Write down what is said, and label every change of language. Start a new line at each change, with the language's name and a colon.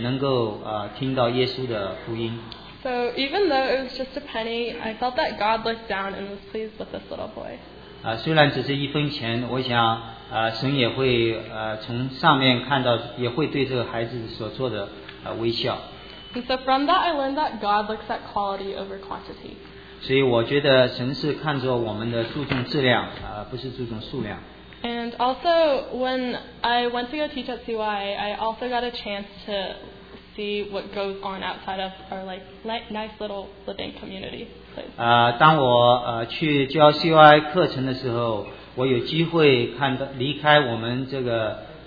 Chinese: 所以那个孩子看着那个奉献箱，看见那些南美洲的那些孩子，他就说：“我愿意把这钱奉献给他们，让他们也能够听到耶稣的福音。” So
English: even though it was just a penny, I felt that God looked down and was pleased with this little boy.
Chinese: 虽然只是一分钱，我想神也会从上面看到，也会对这个孩子所做的微笑。
English: And so from that, I learned that God looks at quality over quantity.
Chinese: 所以我觉得神是看着我们的注重质量, 不是注重数量。
English: And also, when I went to go teach at CYA, I also got a chance to see what goes on outside of our like nice little living community place.
Chinese: 当我去教 CYA 课程的时候，我有机会看到离开我们这个。